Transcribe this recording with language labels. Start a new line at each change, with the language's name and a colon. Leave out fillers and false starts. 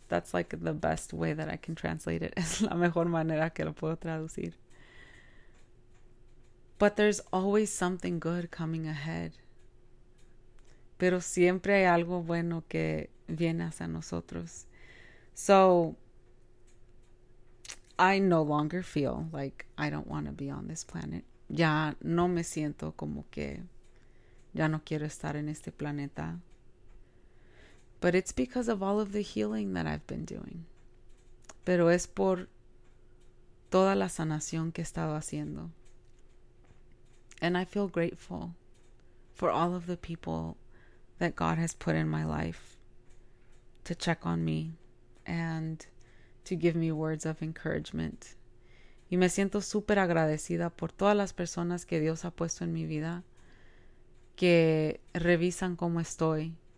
English: That's like the best way that I can translate it.
Spanish: Es la mejor manera que lo puedo traducir.
English: But there's always something good coming ahead.
Spanish: Pero siempre hay algo bueno que viene hacia nosotros.
English: So, I no longer feel like I don't want to be on this planet.
Spanish: Ya no me siento como que ya no quiero estar en este planeta.
English: But it's because of all of the healing that I've been doing.
Spanish: Pero es por toda la sanación que he estado haciendo.
English: And I feel grateful for all of the people that God has put in my life to check on me and to give me words of encouragement.
Spanish: Y me siento súper agradecida por todas las personas que Dios ha puesto en mi vida que revisan cómo estoy.